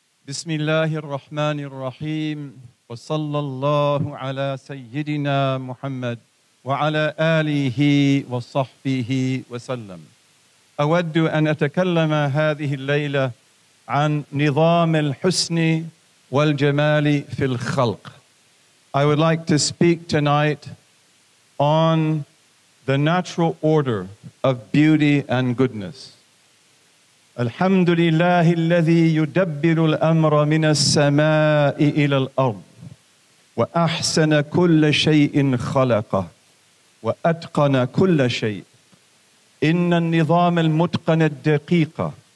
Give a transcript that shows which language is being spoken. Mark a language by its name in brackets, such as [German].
[Arabic] بسم الله الرحمن الرحيم وصلى الله على سيدنا محمد وعلى آله وصحبه وسلم أود أن أتكلم هذه الليلة عن نظام الحسن والجمال في الخلق. [English] I would like to speak tonight on the natural order of beauty and goodness. [Arabic] الحمد لله الذي يدبر الأمر من السماء إلى الأرض وأحسن كل شيء خلقه وأتقن كل شيء إن النظام المتقن الدقيق